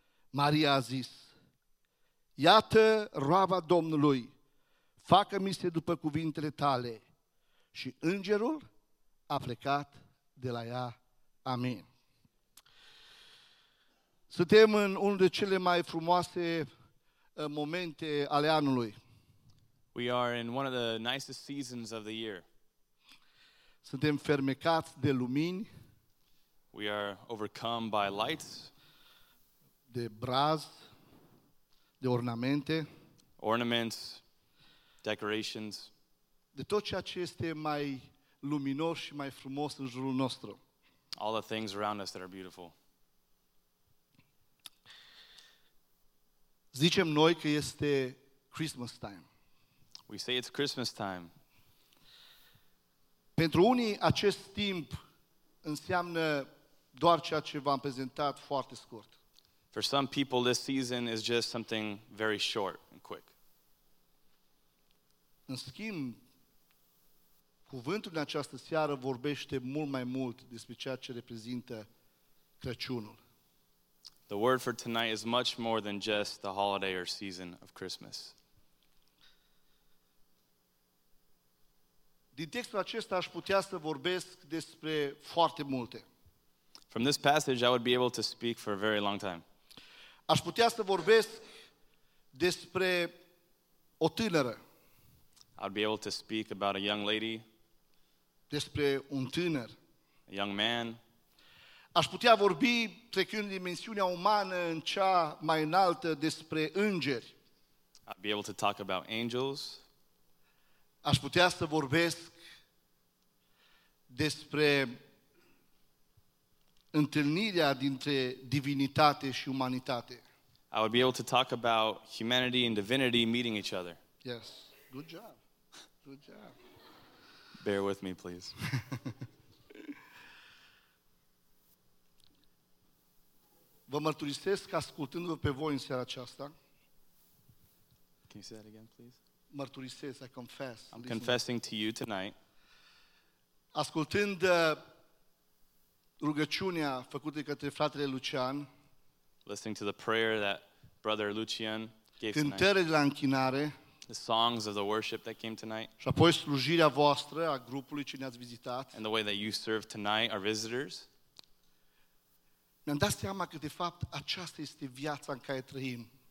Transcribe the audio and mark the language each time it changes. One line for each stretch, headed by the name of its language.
Romanian: Maria a zis: iată roava Domnului, facă-mi se după cuvintele tale. Și îngerul a plecat de la ea. Amin. Suntem în unul de cele mai frumoase momente ale anului.
English: We are in one of the nicest seasons of the year.
Romanian: Suntem fermecați de lumini.
English: We are overcome by lights.
Romanian: De braz, de ornamente.
English: Ornaments, decorations.
Romanian: De tot ceea ce este mai luminos și mai frumos în jurul nostru.
English: All the things around us that are beautiful.
Romanian: Zicem noi că este Christmas time.
English: We say it's Christmas time.
Romanian: Pentru unii acest timp înseamnă doar ceea ce v-am prezentat foarte scurt.
English: For some people this season is just something very short and quick.
Romanian: În schimb, cuvântul din această seară vorbește mult mai mult despre ceea ce reprezintă Crăciunul.
English: The word for tonight is much more than just the holiday or season of Christmas.
Romanian: Din textul acesta aș putea să vorbesc despre foarte multe.
English: From this passage I would be able to speak for a very long time.
Romanian: Aș putea să vorbesc despre o tânără.
English: I'd be able to speak about a young lady.
Romanian: Despre un tânăr.
English: A young man.
Romanian: Aș putea vorbi, trecând dimensiunea umană în cea mai înaltă, despre îngeri.
English: I'd be able to talk about angels.
Romanian: Aș putea să vorbesc despre întâlnirea dintre divinitate și umanitate.
English: I would be able to talk about humanity and divinity meeting each other. Yes, good job, good job. Bear with me, please.
Romanian: Vă mărturisesc ascultându-vă pe voi în seara aceasta.
English: Can you say that again, please?
Romanian: Mărturisesc,
English: I confess. I'm confessing to you tonight.
Romanian: Ascultând rugăciunea făcută către fratele Lucian.
English: Listening to the prayer that brother Lucian gave tonight.
Romanian: Cântările de la închinare.
English: The songs of the worship that came tonight.
Romanian: Și apoi slujirea voastră a grupului ce ne-ați vizitat.
English: And the way that you served tonight our visitors.
Romanian: Mi-am dat seama că, de fapt, aceasta este viața în care trăim.